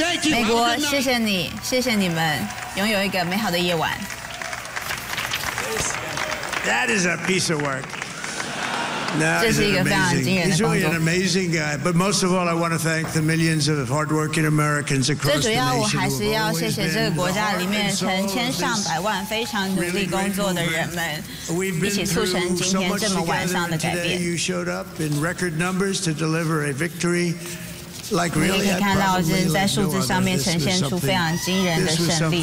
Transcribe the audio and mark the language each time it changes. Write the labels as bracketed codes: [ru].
[zh] 美国，谢谢你，谢谢你们，拥有一个美好的夜晚。 [en] That is a piece of work. [zh] No, 这是一个非常惊人的工作。 [en] He's really an amazing guy, but most of all, I want to thank the millions of hardworking Americans across the nation. [zh] 最主要我还是要谢谢这个国家里面成千上百万非常努力工作的人们，一起促成今天这么晚上的改变。 [en] Today you showed up in record numbers to deliver a victory. Like really, [zh] 你也可以看到是在数字上面呈现出非常惊人的胜利。